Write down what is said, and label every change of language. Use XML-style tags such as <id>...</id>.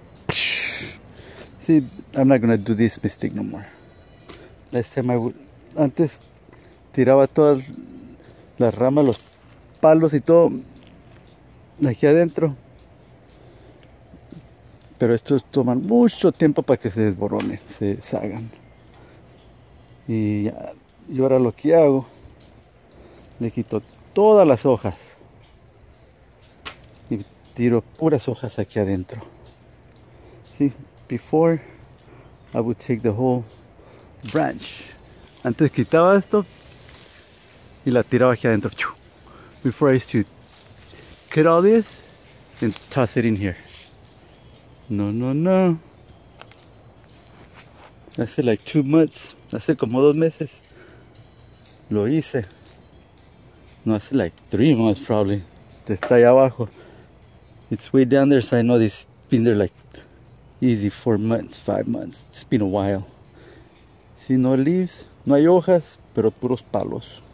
<en>See, I'm not gonna do this mistake no more. Last time I would.</en> <es>Antes tiraba todas las ramas, los palos y todo aquí adentro. Pero estos toman mucho tiempo para que se desboronen, se deshagan. Y ya, yo ahora lo que hago, le quito todas las hojas y tiro puras hojas aquí adentro. Sí,</es> <en>before I would take the whole branch.</en> <es>Antes quitaba esto y la tiraba aquí adentro.</es> <en>Before I used to cut all this and toss it in here.</en> <es>No, no, no. Hace like 2 months. Hace como 2 meses. Lo hice. No, hace like 3 months probably. Está ahí abajo.</es> <en>It's way down there, so I know this been there like easy 4 months, 5 months. It's been a while.</en> <es>Si no leaves, no hay hojas, pero puros palos.</es>